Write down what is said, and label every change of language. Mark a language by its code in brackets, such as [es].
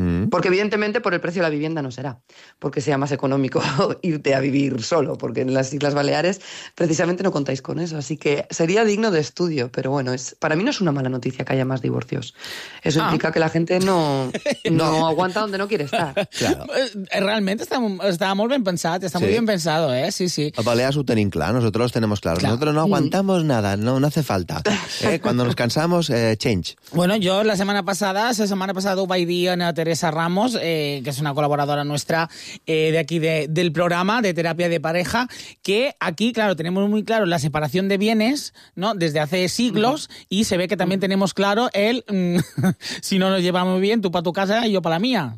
[es] Porque evidentemente por el precio de la vivienda no será, porque sea más económico irte a vivir solo, porque en las Islas Baleares precisamente no contáis con eso, así que sería digno de estudio, pero bueno, para mí no es una mala noticia que haya más divorcios. Eso implica que la gente no aguanta donde no quiere estar. Claro. Realmente está [ca] està molt ben pensat, està molt ben pensat, eh? Sí, sí. A Balears ho tenim clar, [es] nosotros los tenemos claros. [ca] Clar. [es] Nosotros no aguantamos nada, no hace falta. Cuando nos cansamos, [en] change. [es] Bueno, yo la semana pasada [ca] ho vaig dir a Teresa Ramos, que és una col·laboradora nostra d'aquí del programa [es] de teràpia de pareja, que aquí, claro, tenemos muy claro la separación de bienes, ¿no?, desde hace siglos, y se ve que también tenemos claro el si no nos llevamos bien, tú para tu casa y yo para la mía.